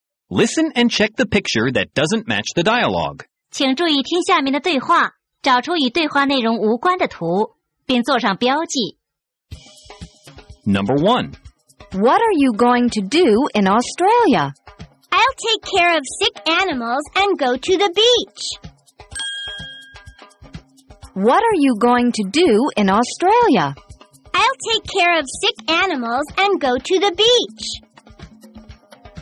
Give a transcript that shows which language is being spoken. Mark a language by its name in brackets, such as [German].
[English] Listen and check the picture that doesn't match the dialogue. [Chinese] 请注意听下面的对话，找出与对话内容无关的图，并做上标记。 [English] Number 1. What are you going to do in Australia? I'll take care of sick animals and go to the beach. What are you going to do in Australia? I'll take care of sick animals and go to the beach.